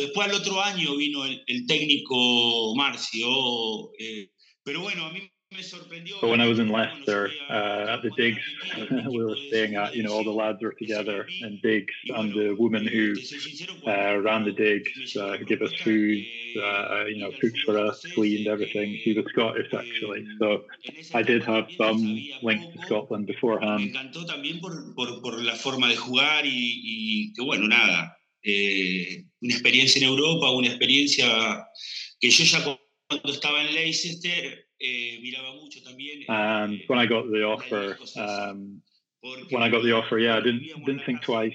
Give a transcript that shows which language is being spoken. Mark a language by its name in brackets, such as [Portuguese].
[Spanish] Después al otro año vino el técnico Marcio. Pero bueno, a mí me sorprendió. [English] But when I was in Leicester, at the digs we were staying at, you know, all the lads were together in digs, and the woman who ran the digs, who gave us food, you know, cooked for us, cleaned everything. She was Scottish, actually. So I did have some link to Scotland beforehand. [Spanish] Me encantó también por la forma de jugar y que bueno, nada. Una experiencia en Europa, una experiencia que yo ya cuando estaba en Leicester miraba mucho también. [English] And when I got the offer, yeah, I didn't think twice.